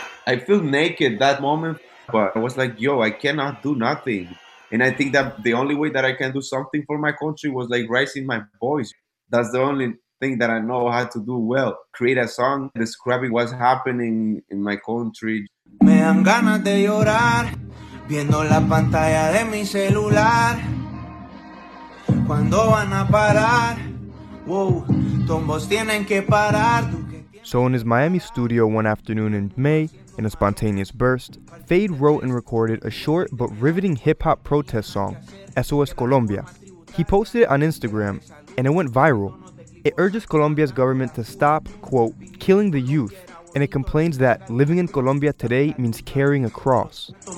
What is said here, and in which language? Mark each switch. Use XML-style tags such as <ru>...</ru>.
<en>I feel naked that moment, but I was like, yo, I cannot do nothing. And I think that the only way that I can do something for my country was like raising my voice. That's the only thing that I know how to do well. Create a song describing what's happening in my country.</en> <es>Me dan ganas de llorar. Viendo la pantalla de mi celular, ¿cuándo van a parar? Wow, tumbos tienen que parar.</es> <en>So in his Miami studio one afternoon in May, in a spontaneous burst, Fade wrote and recorded a short but riveting hip-hop protest song, SOS Colombia. He posted it on Instagram, and it went viral. It urges Colombia's government to stop, quote, killing the youth, and it complains that living in Colombia today means carrying a cross.</en>